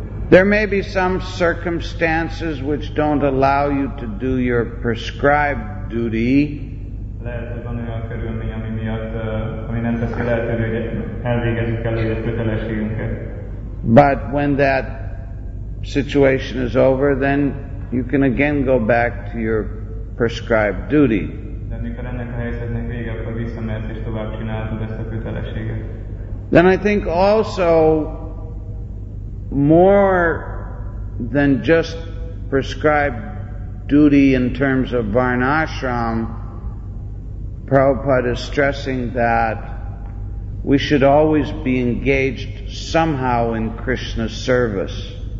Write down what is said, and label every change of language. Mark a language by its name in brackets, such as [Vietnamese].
[English] There may be some circumstances which don't allow you to do your prescribed duty. [Hungarian] lehet, hogy van olyan körülmény, ami miatt, ami nem teszi lehetővé, hogy elvégezzük előre kötelességünket. [English] But when that situation is over, then you can again go back to your prescribed duty. [Hungarian] De mikor ennek a helyzetnek vége, akkor visszamehetsz és tovább csinálhatod ezt a kötelességet. [English] Then I think also more than just prescribed duty in terms of varnashram, Prabhupada is stressing that we should always be engaged somehow in Krishna's service.